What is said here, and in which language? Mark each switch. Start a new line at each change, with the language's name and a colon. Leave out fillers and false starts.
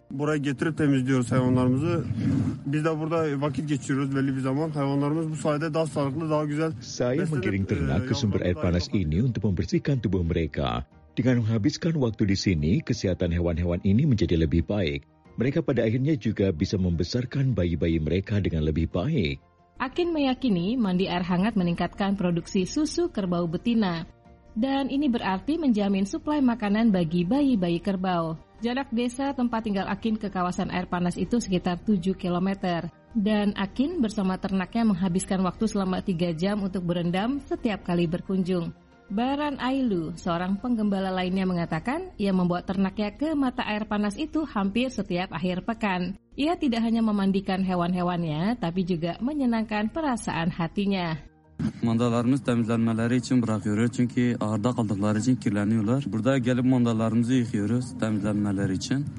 Turkish: Burayı getirip temizliyoruz hayvanlarımızı. Biz de burada vakit geçiriyoruz belli bir zaman. Hayvanlarımız bu sayede daha sağlıklı, daha güzel.
Indonesian: Saya menggiring ternak ke sumber air panas ini untuk membersihkan tubuh mereka. Dengan menghabiskan waktu di sini, kesehatan hewan-hewan ini menjadi lebih baik. Mereka pada akhirnya juga bisa membesarkan bayi-bayi mereka dengan lebih baik. Akin meyakini mandi air hangat meningkatkan produksi susu kerbau betina. Dan ini berarti menjamin suplai makanan bagi bayi-bayi kerbau. Jarak desa tempat tinggal Akin ke kawasan air panas itu sekitar 7 km. Dan Akin bersama ternaknya menghabiskan waktu selama 3 jam untuk berendam setiap kali berkunjung. Baran Ailu, seorang penggembala lainnya mengatakan, ia membawa ternaknya ke mata air panas itu hampir setiap akhir pekan. Ia tidak hanya memandikan hewan-hewannya, tapi juga menyenangkan perasaan hatinya.
Turkish: Mandalarımız temizlenmeleri için bırakıyoruz çünkü ağırda kaldıkları için kirleniyorlar. Burada gelip mandalarımızı yıkıyoruz temizlenmeleri için.